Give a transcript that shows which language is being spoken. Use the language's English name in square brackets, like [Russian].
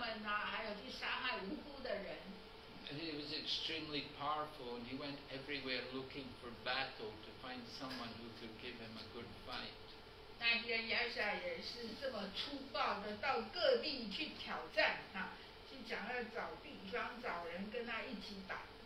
[Chinese] 那这个恶魔居然亚沙，我们刚描述他是这么残暴，欺负女子们呐，然后去虐待他们呐，还有去杀害无辜的人。And [English] he was extremely powerful, and he went everywhere looking for battle to find someone who could give him a good fight. [Chinese] 那居然亚沙也是这么粗暴的到各地去挑战啊，去想要找地方找人跟他一起打。